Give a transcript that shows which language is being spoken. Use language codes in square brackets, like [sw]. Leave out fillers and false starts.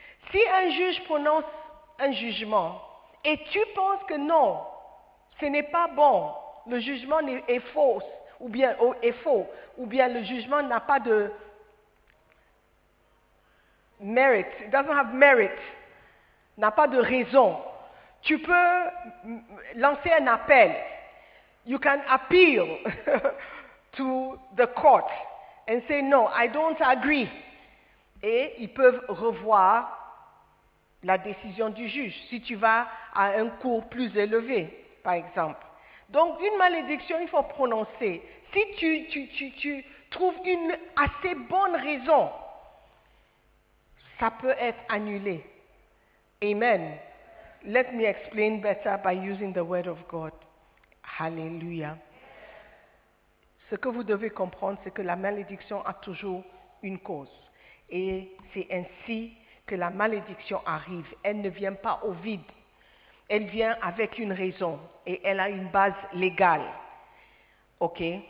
[fr] Si un juge prononce un jugement et tu penses que non, ce n'est pas bon, le jugement est faux, ou bien le jugement n'a pas de merit, [en] it doesn't have merit, [fr] n'a pas de raison, tu peux lancer un appel. [en] You can appeal to the court and say, no, I don't agree. [fr] Et ils peuvent revoir la décision du juge si tu vas à un cours plus élevé, par exemple. Donc, une malédiction, il faut prononcer. Si tu trouves une assez bonne raison, ça peut être annulé. Amen. [en] Let me explain better by using the word of God. [fr] Alléluia. Ce que vous devez comprendre, c'est que la malédiction a toujours une cause. Et c'est ainsi que la malédiction arrive. Elle ne vient pas au vide. Elle vient avec une raison et elle a une base légale. OK?